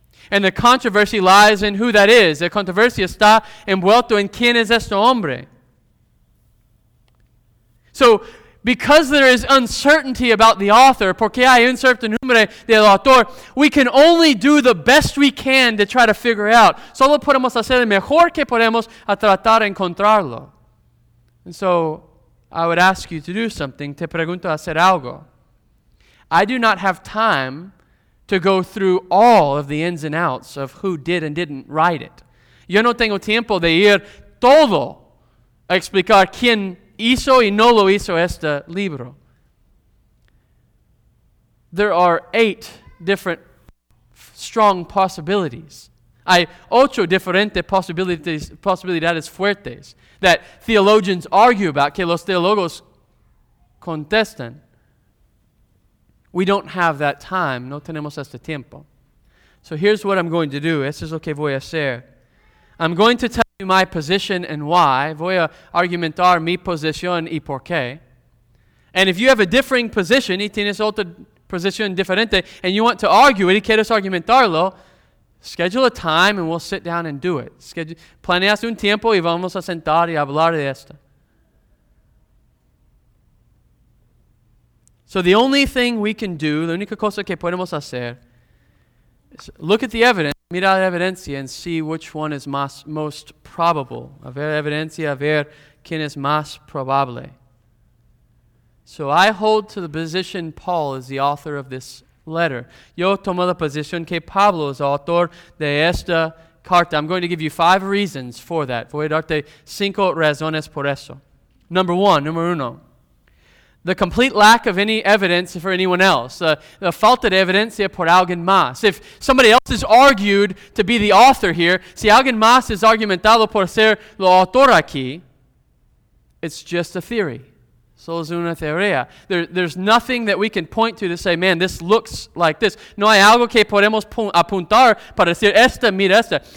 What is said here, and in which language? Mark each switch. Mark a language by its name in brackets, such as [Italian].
[English] And the controversy lies in who that is. The controversy [Spanish] está envuelto en quién es este hombre. [English] So, Because there is uncertainty about the author, [Spanish] porque hay incertidumbre del autor, [English] we can only do the best we can to try to figure out. [Spanish] Solo podemos hacer el mejor que podemos a tratar de encontrarlo. [English] And so, I would ask you to do something. [Spanish] Te pregunto hacer algo. [English] I do not have time to go through all of the ins and outs of who did and didn't write it. [Spanish] Yo no tengo tiempo de ir todo a explicar quién hizo y no lo hizo este libro. [English] There are 8 different strong possibilities. [Spanish] Hay 8 diferentes posibilidades fuertes [English] that theologians argue about, [Spanish] que los teólogos contestan. [English] We don't have that time. [Spanish] No tenemos este tiempo. [English] So here's what I'm going to do. [Spanish] Esto es lo que voy a hacer. [English] I'm going to tell you my position and why. [Spanish] Voy a argumentar mi posición y por qué. [English] And if you have a differing position, [Spanish] y tienes otra posición diferente, [English] and you want to argue it, [Spanish] y quieres argumentarlo, [English] schedule a time and we'll sit down and do it. [Spanish] Planeas un tiempo y vamos a sentar y hablar de esto. [English] So the only thing we can do, [Spanish] la única cosa que podemos hacer, [English] is look at the evidence, [Spanish] mira la evidencia, [English] and see which one is most probable. [Spanish] A ver evidencia, a ver quién es más probable. [English] So I hold to the position Paul is the author of this letter. [Spanish] Yo tomo la posición que Pablo es autor de esta carta. [English] I'm going to give you 5 reasons for that. [Spanish] Voy a darte 5 razones por eso. [English] Number uno. The complete lack of any evidence for anyone else. [Spanish] The falta de evidencia por alguien más. [English] If somebody else is argued to be the author here, [Spanish] si alguien más es argumentado por ser lo autor aquí, [English] it's just a theory. [Spanish] Solo es una teoría. [English] There's nothing that we can point to say, man, this looks like this. [Spanish] No hay algo que podemos apuntar para decir, esta, mira esta.